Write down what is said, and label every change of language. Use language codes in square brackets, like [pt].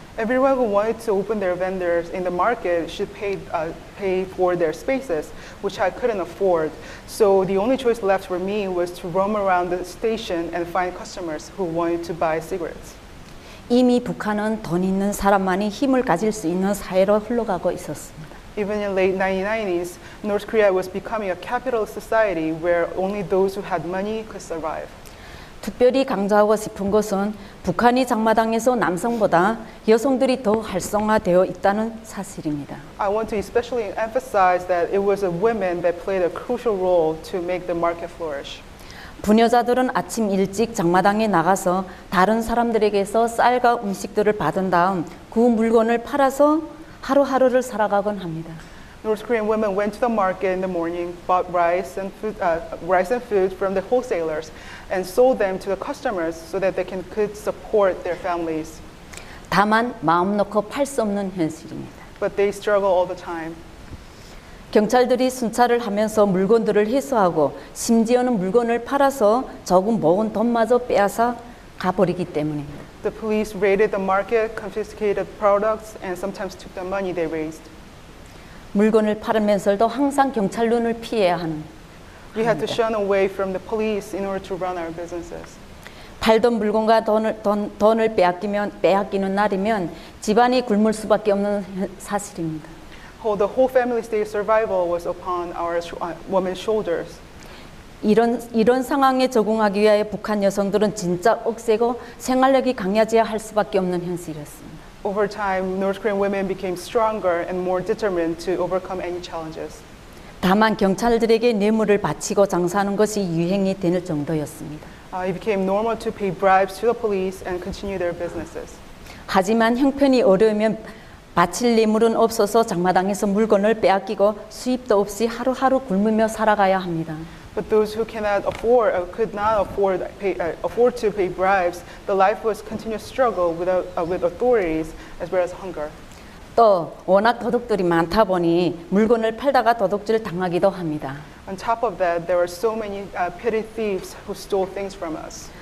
[en] Everyone who wanted to open their vendors in the market should pay for their spaces, which I couldn't afford. So the only choice left for me was to roam around the station and find customers who wanted to buy cigarettes. [ko] 이미 북한은 돈 있는 사람만이 힘을 가질 수 있는 사회로 흘러가고 있었습니다. [en] Even in late 1990s, North Korea was becoming a capitalist society where only those who had money could survive. [ko] 특별히 강조하고 싶은 것은 북한이 장마당에서 남성보다 여성들이 더 활성화되어 있다는 사실입니다. [en] I want to especially emphasize that it was the women that played a crucial role to make the market flourish. [ko] 부녀자들은 아침 일찍 장마당에 나가서 다른 사람들에게서 쌀과 음식들을 받은 다음 그 물건을 팔아서 하루하루를 살아가곤 합니다. [en] North Korean women went to the market in the morning, bought rice and food from the wholesalers, and sold them to the customers so that they could support their families. [ko] 다만 마음 놓고 팔 수 없는 현실입니다. [en] But they struggle all the time. [ko] 경찰들이 순찰을 하면서 물건들을 회수하고 심지어는 물건을 팔아서 조금 모은 돈마저 빼앗아 가버리기 때문입니다. [en] The police raided the market, confiscated products, and sometimes took the money they raised. [ko] 물건을 팔면서도 항상 경찰 눈을 피해야 하는. [en] We had to shun away from the police in order to run our businesses. [ko] 팔던 물건과 돈을 빼앗기는 날이면 집안이 굶을 수밖에 없는 사실입니다. [en] The whole family's day of survival was upon our women's shoulders. [ko] 이런 상황에 적응하기 위해 북한 여성들은 진짜 억세고 생활력이 강해져야 할 수밖에 없는 현실이었습니다. [en] Over time, North Korean women became stronger and more determined to overcome any challenges. [ko] 다만 경찰들에게 뇌물을 바치고 장사하는 것이 유행이 되는 정도였습니다. [en] It became normal to pay bribes to the police and continue their businesses. [ko] 하지만 형편이 어려우면 바칠 뇌물은 없어서 장마당에서 물건을 빼앗기고 수입도 없이 하루하루 굶으며 살아가야 합니다. [en] But those who cannot afford or could not afford, afford to pay bribes, the life was continuous struggle with authorities as well as hunger. [ko] 또 워낙 도둑들이 많다 보니 물건을 팔다가 도둑질 당하기도 합니다. [en] On top of that, there were so many petty thieves who stole things from us.